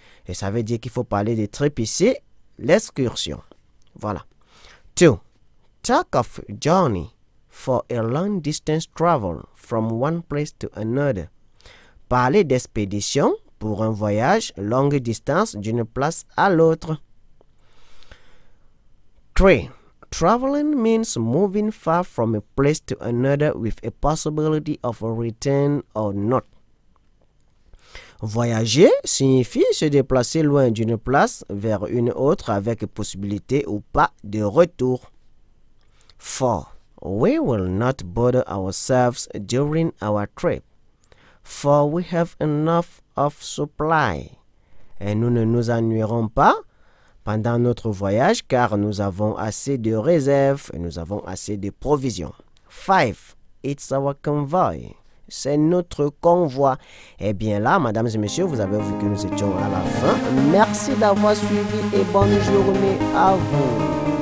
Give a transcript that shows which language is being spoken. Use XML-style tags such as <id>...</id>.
<fr>Et ça veut dire qu'il faut parler de trip ici, l'excursion.</fr> <en>Voilà. 2. Talk of journey. For a long distance travel from one place to another.</en> <fr>Parler d'expédition pour un voyage longue distance d'une place à l'autre. 3.</fr> <en>Traveling means moving far from a place to another with a possibility of a return or not.</en> <fr>Voyager signifie se déplacer loin d'une place vers une autre avec possibilité ou pas de retour. 4.</fr> <en>We will not bother ourselves during our trip, for we have enough of supply.</en> <fr>Et nous ne nous ennuierons pas pendant notre voyage, car nous avons assez de réserves et nous avons assez de provisions. 5.</fr> <en>It's our convoy.</en> <fr>C'est notre convoi. Eh bien là, mesdames et messieurs, vous avez vu que nous étions à la fin. Merci d'avoir suivi et bonne journée à vous.</fr>